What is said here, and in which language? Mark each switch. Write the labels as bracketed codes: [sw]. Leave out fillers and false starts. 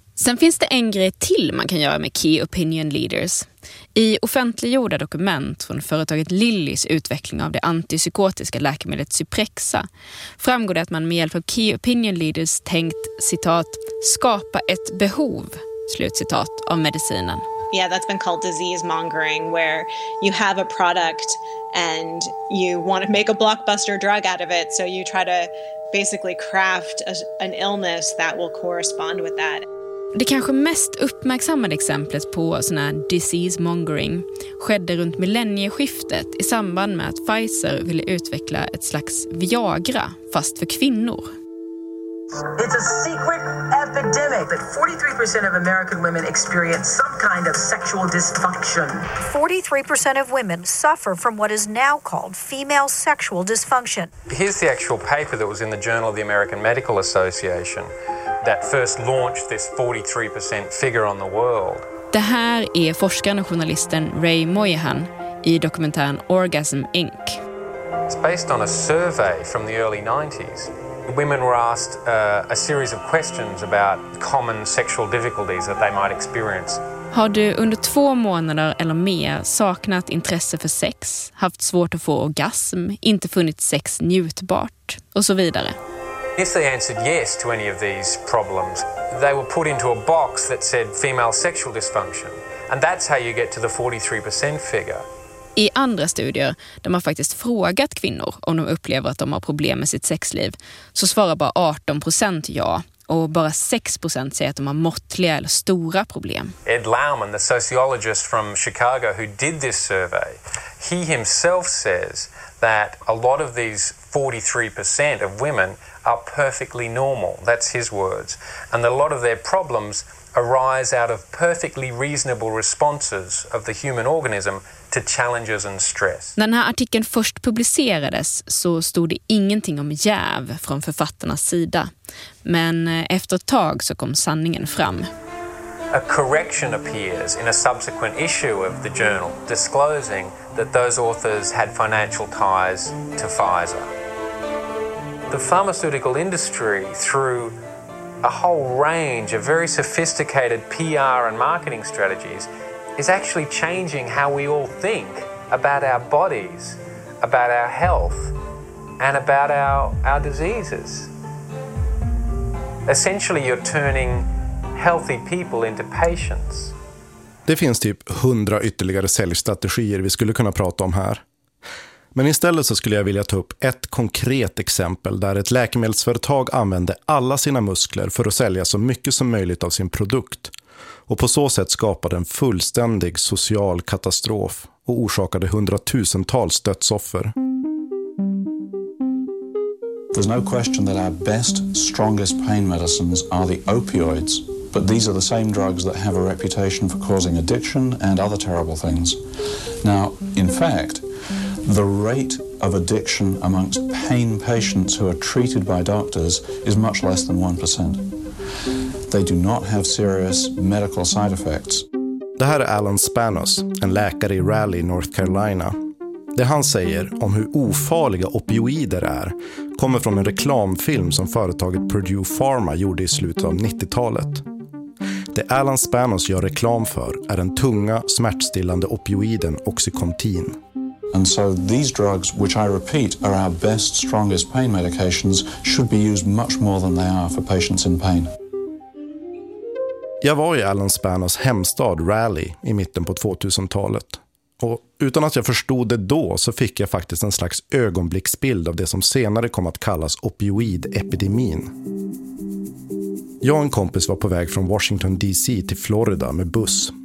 [sv] Sen finns det en grej till man kan göra med key opinion leaders. I offentliggjorda dokument från företaget Lillys utveckling av det antipsykotiska läkemedlet Zyprexa framgår det att man med hjälp av key opinion leaders tänkt, citat, skapa ett behov, slutcitat, av medicinen. [en] Yeah, that's been called disease mongering, where you have a product and you want to make a blockbuster drug out of it, so you try to basically craft an illness that will correspond with that. [sv] Det kanske mest uppmärksammade exemplet på sån här disease mongering skedde runt millennieskiftet i samband med att Pfizer ville utveckla ett slags Viagra fast för kvinnor. [en] It's a secret epidemic that 43% of American women experience some kind of sexual dysfunction. 43% of women suffer from what is now called female sexual dysfunction. Here's the actual paper that was in the Journal of the American Medical Association that first launched this 43% figure on the world. [sv] Det här är forskaren och journalisten Ray Moyahan i dokumentären Orgasm Inc. [en] It's based on a survey from the early 90s. Women were asked a series of questions about common sexual difficulties that they might experience. [sv] Har du under 2 månader eller mer saknat intresse för sex, haft svårt att få orgasm, inte funnit sex njutbart och så vidare? [en] If they answered yes to any of these problems, they were put into a box that said female sexual dysfunction. And that's how you get to the 43% figure. [sv] I andra studier där man faktiskt frågat kvinnor om de upplever att de har problem med sitt sexliv så svarar bara 18% ja, och bara 6% säger att de har måttliga eller stora problem. [en] Ed Lauman, the sociologist from Chicago who did this survey, he himself says that a lot of these 43% of women are perfectly normal. That's his words. And a lot of their problems arise out of perfectly reasonable responses of the human organism to challenges and stress. [sv] När den här artikeln först publicerades så stod det ingenting om jäv från författarnas sida. Men efter ett tag så kom sanningen fram. [en] A correction appears in a subsequent issue of the journal disclosing that those authors had financial ties to Pfizer. the pharmaceutical industry, through a whole range of very sophisticated PR and marketing strategies, is actually changing how we all think about our bodies, about our health, and about our diseases. Essentially, you're turning healthy people into patients. [sv] Det finns typ 100 ytterligare säljstrategier vi skulle kunna prata om här. Men istället så skulle jag vilja ta upp ett konkret exempel där ett läkemedelsföretag använde alla sina muskler för att sälja så mycket som möjligt av sin produkt och på så sätt skapade en fullständig social katastrof och orsakade hundratusentals dödsoffer. [en] There's no question that our best, strongest pain medicines are the opioids. But these are the same drugs that have a reputation for causing addiction and other terrible things. Now, in fact, the rate of addiction amongst pain patients who are treated by doctors is much less than 1%. They do not have serious medical side effects. [sv] Det här är Alan Spanos, en läkare i Raleigh, North Carolina. Det han säger om hur ofarliga opioider är kommer från en reklamfilm som företaget Purdue Pharma gjorde i slutet av 90-talet. Det Alan Spanos gör reklam för är den tunga, smärtstillande opioiden oxycontin. [en] And so these drugs, which I repeat, are our best, strongest pain medications, should be used much more than they are for patients in pain. [sv] Jag var i Alan Spanos hemstad Raleigh i mitten på 2000-talet. Och utan att jag förstod det då så fick jag faktiskt en slags ögonblicksbild av det som senare kom att kallas opioidepidemin. Jag och en kompis var på väg från Washington DC till Florida med buss.